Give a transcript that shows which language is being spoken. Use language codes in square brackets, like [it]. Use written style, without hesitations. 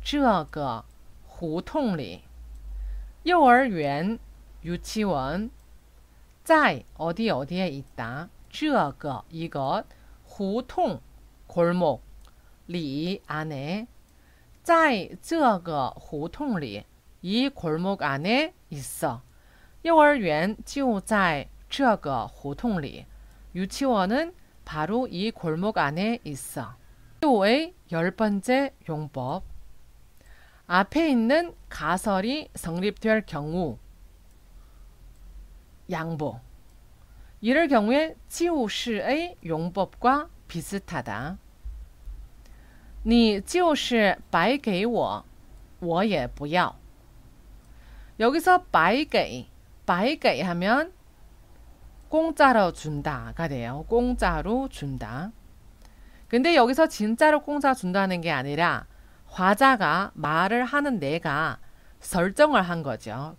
[zh] 幼儿园就在这个胡同里. [ko] 幼儿园, 유치원, 在 어디 어디에 있다. 这个, 이것, 胡同, 골목, 里, 안에, 在这个胡同里, 골목 안에 있어. [zh] 幼儿园就在这个胡同里. [ko] 유치원은 바로 이 골목 안에 있어. 또의 열 번째 용법. 앞에 있는 가설이 성립될 경우 양보. 이럴 경우에 就是의 용법과 비슷하다. [zh] 你就是白给我，我也不要. [ko] 여기서 白给 하면 공짜로 준다가 돼요. 공짜로 준다. 근데 여기서 진짜로 공짜 준다는 게 아니라 화자가 말을 하는 내가 설정을 한 거죠.